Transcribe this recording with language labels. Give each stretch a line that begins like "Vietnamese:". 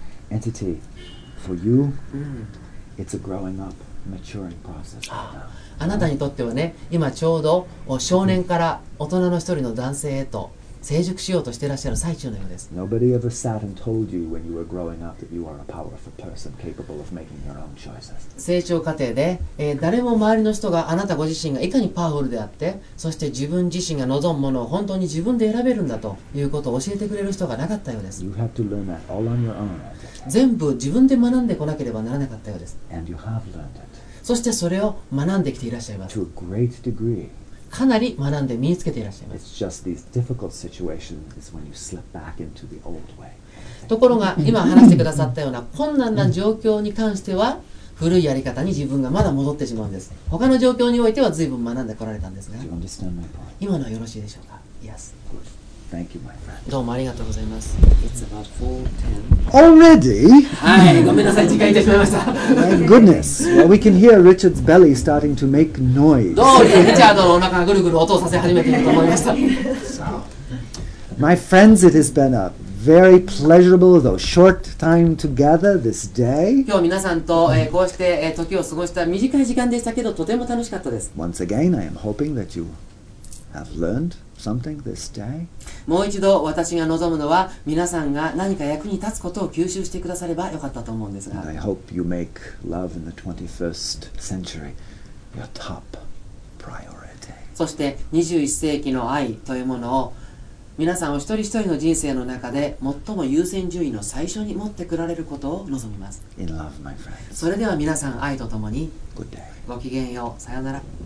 English: Entity, for you, it's a growing up, maturing process right now.
Japanese: あなたにとってはね、今ちょうど少年から大人の一人の男性へと成熟しようとしていらっしゃる最中のようです。
English: Nobody ever sat and told you when you were growing up that you are a powerful person capable of making your own choices.
Japanese: 成長過程で、誰も周りの人があなたご自身がいかにパワフルであって、そして自分自身が望むものを本当に自分で選べるんだということを教えてくれる人がなかったようです。
English: You have to learn that all on your own.
Japanese: 全部自分で学んでこなければならなかったようです。
English: And you have learned it.
Japanese: そしてそれを学んできていらっしゃいます。
English: To a great degree.
Japanese: かなり学んで身につけていらっしゃいます。
English: It's just these difficult situations is when you slip back into the old way.
Japanese: ところが今話してくださったような困難な状況に関しては古いやり方に自分がまだ戻ってしまうんです。他の状況においては随分学んでこられたんですが、
English: Do you understand my point?
Japanese: 今のはよろしいでしょうか ？
English: Yes. Good. Thank you, my friend.
Japanese: どうもありがとうございます。
English: It's about 4:10. Already?
Japanese: はい、ごめんなさい、時間いってしまいました。
English: My goodness. Well, we can hear Richard's belly starting to make noise.
Japanese: どうリチャードのお腹がぐるぐる音をさせ始めていると思いました。
English: So, my friends, it has been a very pleasurable, though short time together this day.
Japanese: 今日皆さんと、こうして、時を過ごした短い時間でしたけど、とても楽しかったです。
English: Once again, I am hoping that you have learned something this day.
Japanese: もう一度私が望むのは皆さんが何か役に立つことを吸収してくださればよかったと思うんですが。
English: And I hope you make love in the 21st century your top priority.
Japanese: そして21世紀の愛というものを皆さんお一人一人の人生の中で最も優先順位の最初に持ってくられることを望みます。
English: In love, my friend.
Japanese: それでは皆さん愛とともに。
English: Good day.
Japanese: ごきげんよう。さよなら。